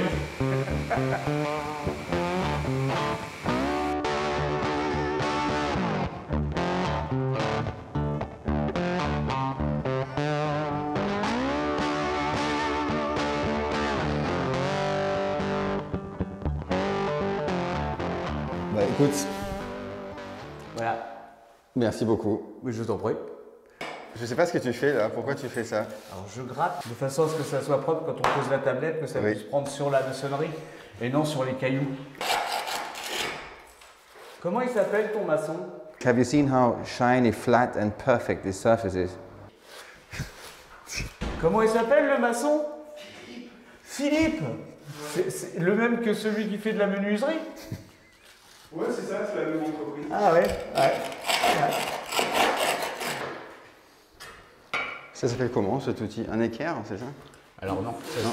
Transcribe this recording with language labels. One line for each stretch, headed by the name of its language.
French: Bah écoute. Voilà. Merci beaucoup. Oui, je t'en prie. Je sais pas ce que tu fais là, pourquoi tu fais ça? Alors je gratte de façon à ce que ça soit propre quand on pose la tablette, que ça puisse prendre sur la maçonnerie et non sur les cailloux. Comment il s'appelle ton maçon?
English: Have you seen how shiny, flat and perfect this surface is?
French: Comment il s'appelle le maçon? Philippe. Philippe? C'est le même que celui qui fait de la menuiserie? Ouais, c'est ça, c'est la même entreprise. Ah ouais? Ouais. Ça s'appelle comment cet outil? Un équerre, c'est ça? Alors non, ça non.